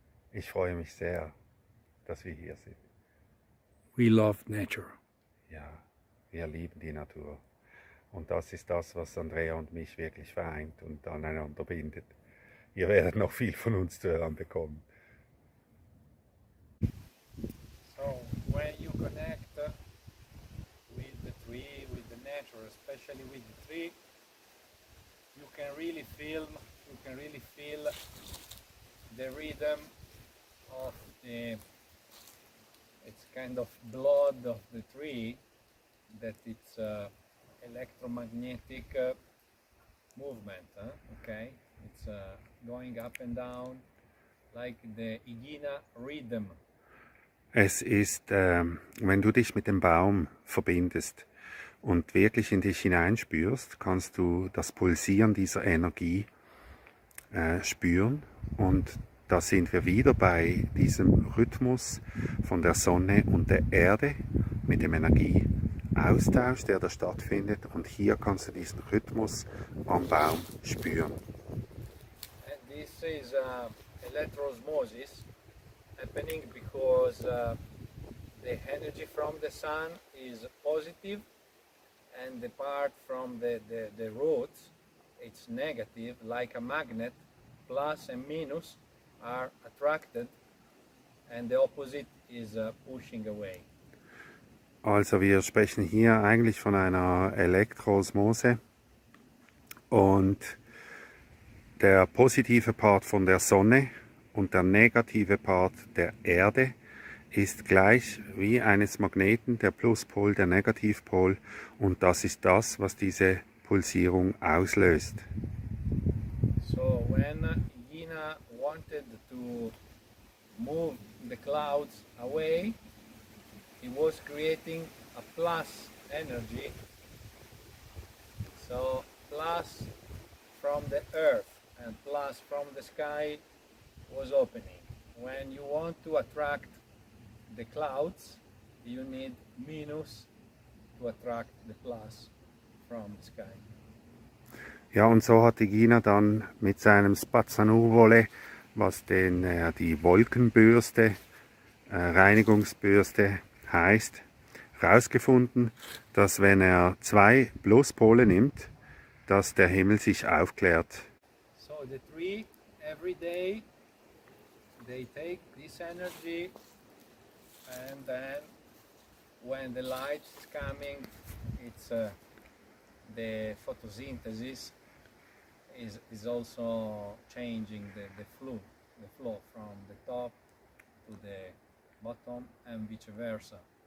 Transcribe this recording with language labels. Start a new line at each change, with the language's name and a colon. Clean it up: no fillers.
German: Ich freue mich sehr, dass wir hier sind.
English: We love nature.
German: Ja, wir lieben die Natur. Und das ist das, was Andrea und mich wirklich vereint und aneinander bindet. Ihr werdet noch viel von uns zu hören bekommen.
English: So, when you connect with the tree, with the nature, especially with the tree, you can really feel the rhythm of the, it's kind of blood of the tree, that it's electromagnetic movement, okay? It's going up and down, like the Igina rhythm.
German: Es ist, wenn du dich mit dem Baum verbindest und wirklich in dich hineinspürst, kannst du das Pulsieren dieser Energie spüren. Und da sind wir wieder bei diesem Rhythmus von der Sonne und der Erde mit dem Energieaustausch, der da stattfindet. Und hier kannst du diesen Rhythmus am Baum spüren.
English: This is electroosmosis happening because the energy from the sun is positive and the part from the roots it's negative, like a magnet, plus and minus are attracted and the opposite is pushing away.
German: Also wir sprechen hier eigentlich von einer Elektroosmose und der positive Part von der Sonne und der negative Part der Erde ist gleich wie eines Magneten, der Pluspol, der Negativpol. Und das ist das, was diese Pulsierung auslöst.
English: So, when Gina wanted to move the clouds away, he was creating a plus energy. So, plus from the earth. And plus from the sky was opening. When you want to attract the clouds, you need minus to attract the plus from the sky.
German: Ja, und so hat Gina dann mit seinem Spazzanuvole was denn die Wolkenbürste, Reinigungsbürste heißt, herausgefunden, dass wenn er zwei Pluspole nimmt, dass der Himmel sich aufklärt.
English: So the tree every day they take this energy and then when the light is coming it's the photosynthesis is also changing the flow from the top to the bottom and vice versa.